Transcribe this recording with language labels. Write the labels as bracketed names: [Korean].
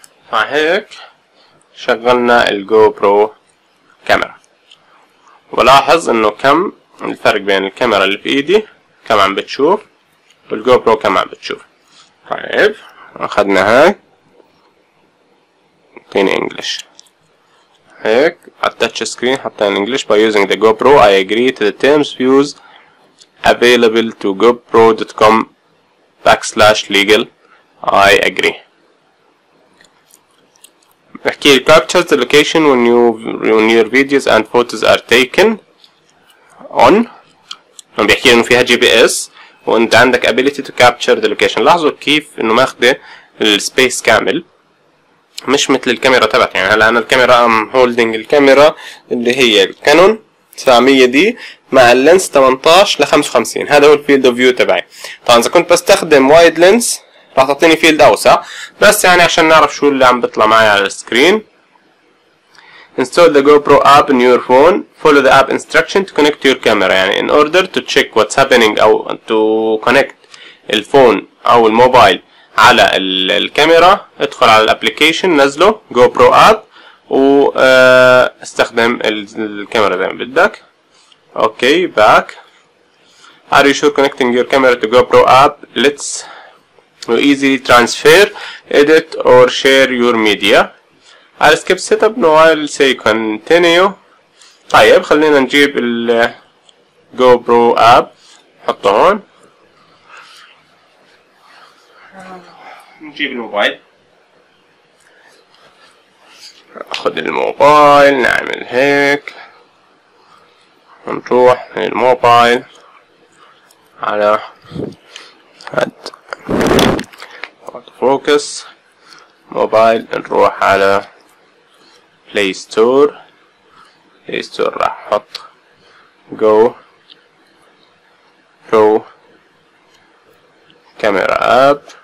[Arabic] فهيك شغلنا الجو برو كاميرا, ولاحظ انه كم الفرق بين الكاميرا اللي في ايدي كم عم بتشوف والجو برو كم عم بتشوف. طيب اخذنا هاي, اعطيني انجلش, هيك على التاتش سكرين حطينا انجلش, [English] by using the GoPro I agree to the terms views available to gopro.com/legal I agree. [Arabic] بحكي لي [English] captures the location when your videos and photos are taken on, [Arabic] بحكي لي انه فيها جي بي اس وانت عندك [English] ability to capture the location. [Arabic] لاحظوا كيف انه ماخذ السبيس كامل مش مثل الكاميرا تبعتي. يعني هلا انا الكاميرا ام هولدنج الكاميرا اللي هي الكانون 900 دي مع اللينس 18-55, هذا هو الفيلد اوف فيو تبعي. طبعا اذا كنت بستخدم وايد لينس راح تعطيني فيلد اوسع, بس يعني عشان نعرف شو اللي عم بيطلع معي على السكرين. [English] Install the GoPro app in your phone. Follow the app instruction to connect your camera. [Arabic] يعني [English] in order to check what's happening [Arabic] أو to connect الفون أو الموبايل على الكاميرا, ادخل على الابليكيشن نزله GoPro app واستخدم الكاميرا زي ما بدك. [English] Okay, back. Are you sure connecting your camera to GoPro app lets you easily transfer, edit or share your media? I'll skip setup, no, I'll say continue. [Arabic] طيب خلينا نجيب ال GoPro app نحطه هون, نجيب الموبايل, اخذ الموبايل نعمل هيك, نروح للموبايل على هاد فوكس موبايل, نروح على بلاي ستور, بلاي ستور راح احط جو برو كاميرا اب,